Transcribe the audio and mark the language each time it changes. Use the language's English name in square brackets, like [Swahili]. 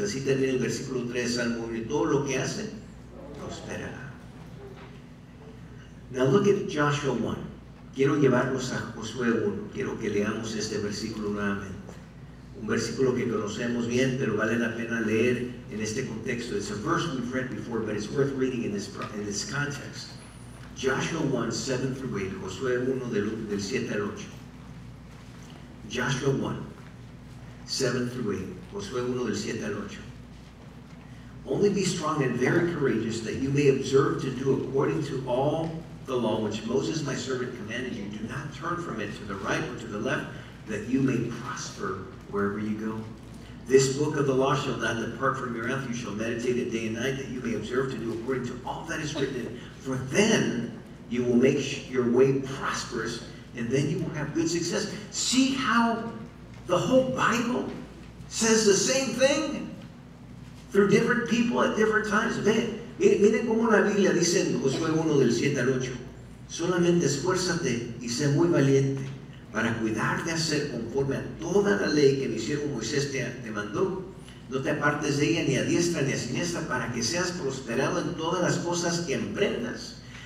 [Spanish] Así termina el versículo 3 de Salmo 1. Y todo lo que hace, prosperará. [English] Now look at Joshua 1. [Spanish] Quiero llevarlos a Josué 1. Quiero que leamos este versículo nuevamente. Un versículo que conocemos bien, pero vale la pena leer en este contexto. [English] It's a verse we've read before, but it's worth reading in this context. Joshua 1, 7 through 8. [Spanish] Josué 1, del 7 al 8. [English] Joshua 1, 7 through 8. [Spanish] Josué 1, del 7 al 8. [English] Only be strong and very courageous that you may observe to do according to all the law which Moses my servant commanded you. Do not turn from it to the right or to the left, that you may prosper wherever you go. This book of the law shall not depart from your mouth. You shall meditate it day and night, that you may observe to do according to all that is written. For then you will make your way prosperous, and then you will have good success. See how the whole Bible says the same thing through different people at different times. [Spanish] Miren cómo la Biblia dice en Josué 1 del 7 al 8. Solamente esfuérzate y sé muy valiente para cuidar de hacer conforme a toda la ley que mi siervo Moisés te mandó. No te apartes de ella ni a diestra ni a siniestra para que seas prosperado en todas las cosas que emprendas.